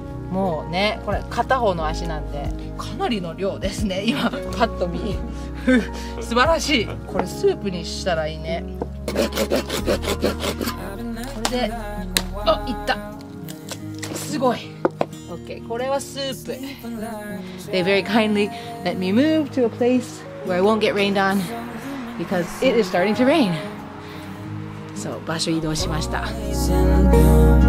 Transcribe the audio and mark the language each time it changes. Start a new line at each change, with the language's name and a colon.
Japanese: もうね、これ片方の足なんでかなりの量ですね、今パッと見。素晴らしい。これスープにしたらいいね。これで、あ、いった、すごい。 OK、 これはスープ。
English: They very kindly let me move to a place where I won't get rained on because it is starting to rain。
Japanese: そう、場所移動しました。